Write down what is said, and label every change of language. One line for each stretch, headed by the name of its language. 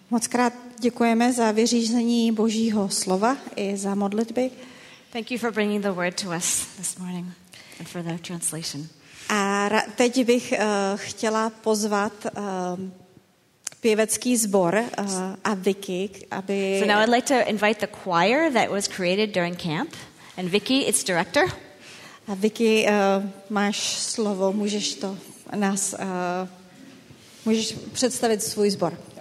Czech: Mockrát děkujeme za vyřízení Božího slova i za modlitby.
English: Thank you for bringing the word to us this morning and for the translation.
Czech: A teď bych chtěla pozvat pěvecký sbor a Vicky, aby...
English: So now I'd like to invite the choir that was created during camp. And Vicky, its director.
Czech: A Vicky, máš slovo, můžeš to nás... můžeš představit svůj sbor.